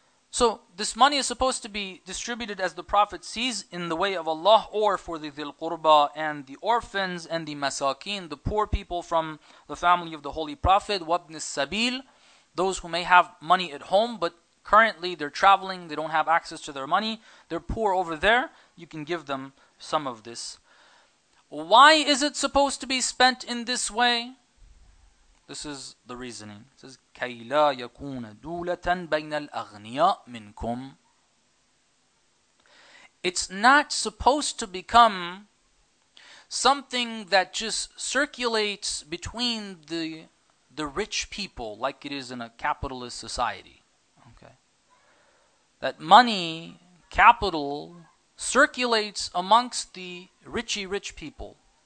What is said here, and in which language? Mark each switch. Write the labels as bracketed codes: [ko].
[en] So this money is supposed to be distributed as the Prophet sees in the way of Allah, or for the dhil qurba and the orphans and the masakin, the poor people from the family of the Holy Prophet, wabn al-sabil, those who may have money at home, but currently, they're traveling, they don't have access to their money, they're poor over there, you can give them some of this. Why is it supposed to be spent in this way? This is the reasoning. It says, [ar] كَيْ لَا يَكُونَ دُولَةً بَيْنَ الْأَغْنِيَاءِ مِنْكُمْ. [en] It's not supposed to become something that just circulates between the rich people like it is in a capitalist society. That money, capital, circulates amongst the richy rich people.